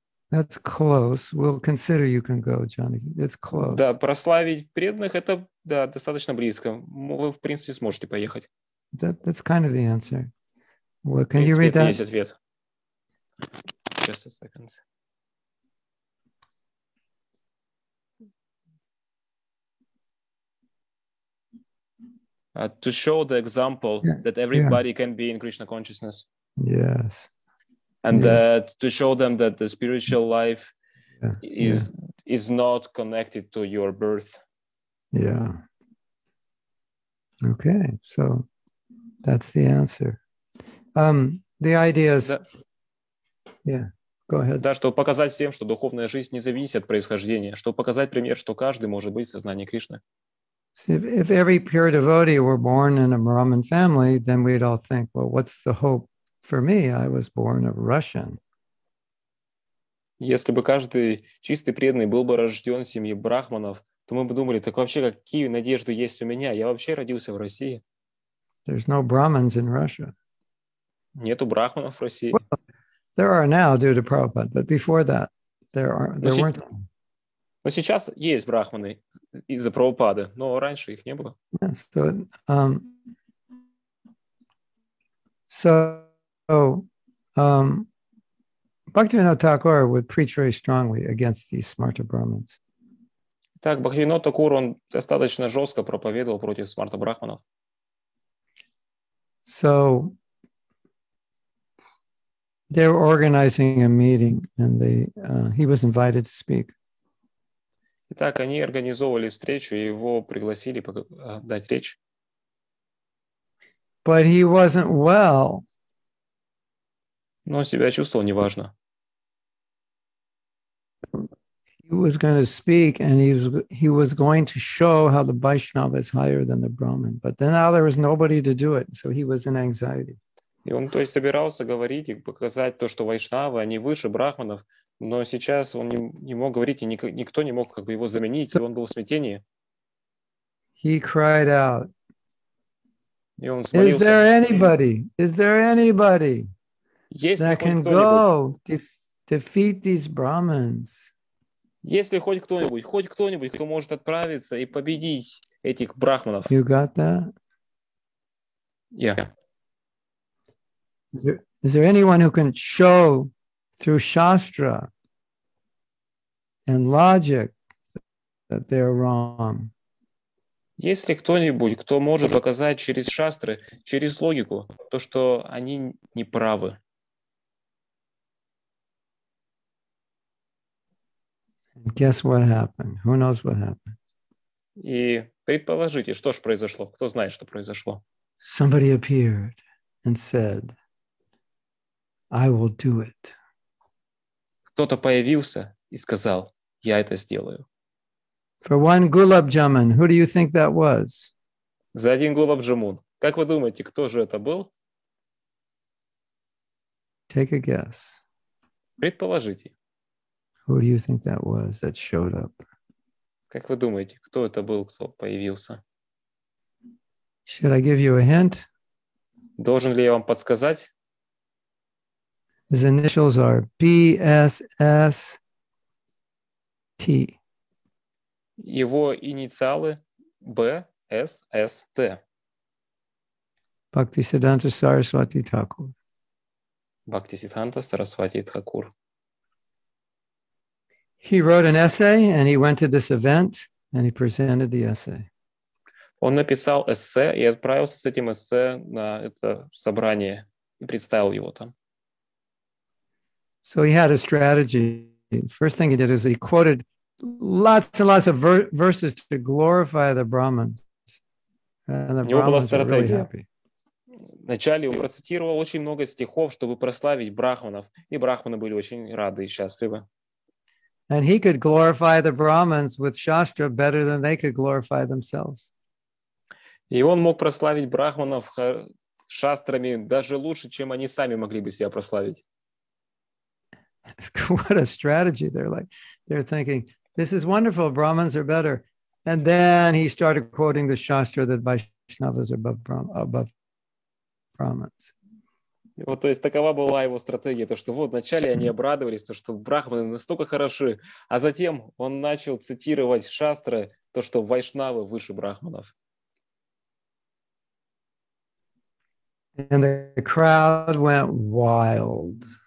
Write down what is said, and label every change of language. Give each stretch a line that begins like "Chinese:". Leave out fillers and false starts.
English: That's close. We'll consider you can go, Johnny. It's close.
Russian: Да, прославить преданных — это Да, достаточно близко. Вы, в принципе, сможете поехать.
English: That's kind of the answer. Well, can
Russian: в принципе,
English: you read
Russian: это есть ответ.
English: Just a second. To show the example that everybody can be in Krishna consciousness. Yes. And that to show them that the spiritual life is not connected to your birth. Yeah. Okay. So that's the answer. The idea is go ahead.
Russian: Да, чтобы показать всем, что духовная жизнь не зависит от происхождения, чтобы показать пример, что каждый может быть в сознании Кришны.
English: See, if every pure devotee were born in a Brahmin family, then we'd all think, well, what's the hope for me? I was born a Russian.
Russian: Если бы каждый чистый преданный был бы рожден в семье брахманов, то мы бы думали, так вообще какие надежды есть у меня? Я вообще родился в России.
English: There's no Brahmins in Russia.
Russian: Нету брахманов в России.
English: Well, there are now due to Prabhupada, but before that there weren't.
Russian: Но сейчас есть брахманы из-за Прабхупады, но раньше их не было.
English: Yes, so, Bhaktivinoda Thakur would preach very strongly against these smarter Brahmins.
Russian: Так, Бхактивинода Такур, он достаточно жестко проповедовал против смарта брахманов.
English: So, they were organizing a meeting, and he was invited to speak.
Russian: Итак, они организовывали встречу, и его пригласили дать речь.
English: But he wasn't well.
Russian: Но он себя чувствовал неважно.
English: He was going to speak, and he was going to show how the Vaishnava is higher than the Brahmin. But then now there was nobody to do it, so he was in anxiety.
Russian: И он, то есть, собирался говорить и показать то, что вайшнавы, они выше брахманов, но сейчас он не мог говорить, и никто не мог как бы его заменить, и он был в смятении.
English: He cried out.
Russian: И он взмолился.
English: Is there anybody? Is there anybody that can go defeat these brahmins?
Russian: Есть ли хоть кто-нибудь, кто может отправиться и победить этих брахманов?
English: You got that? Yeah. Is there anyone who can show through Shastra and logic that they're wrong?
Russian: Есть ли кто-нибудь, кто может показать через Шастры, через логику, то, что они не правы?
English: Guess what happened? Who knows what happened?
Russian: И предположите, что ж произошло? Кто знает, что произошло?
English: Somebody appeared and said, I will do it.
Russian: Кто-то появился и сказал, я это сделаю.
English: For one gulab jamun, who do you think that was?
Russian: За один gulab jamun. Как вы думаете, кто же это был?
English: Take a guess.
Russian: Предположите.
English: Who do you think that was that showed up?
Russian: Как вы думаете, кто это был, кто появился?
English: Should I give you a hint?
Russian: Должен ли я вам подсказать?
English: His initials are BSST.
Russian: Его инициалы BSST.
English: Bhaktisiddhanta Saraswati Thakur. Bhaktisiddhanta Saraswati Thakur. He wrote an essay and he went to this event and he presented the essay.
Russian: Он написал эссе и отправился с этим эссе на это собрание и представил его там.
English: So he had a strategy. First thing he did is he quoted lots and lots of verses to glorify the Brahmins. And the Brahmins were really happy.
Russian: Вначале он процитировал очень много стихов, чтобы прославить брахманов, и брахманы были очень рады и счастливы.
English: And he could glorify the Brahmins with Shastra better than they could glorify themselves.
Russian: И он мог прославить брахманов шастрами даже лучше, чем они сами могли бы себя прославить.
English: What a strategy. They're thinking, this is wonderful, Brahmins are better. And then he started quoting the Shastra that Vaishnavas are above Brahmins.
Russian: Вот, то есть такова была его стратегия, то что вот вначале они обрадовались, то что брахманы настолько хороши, а затем он начал цитировать шастры, то что вайшнавы выше брахманов.
English: And the crowd went wild.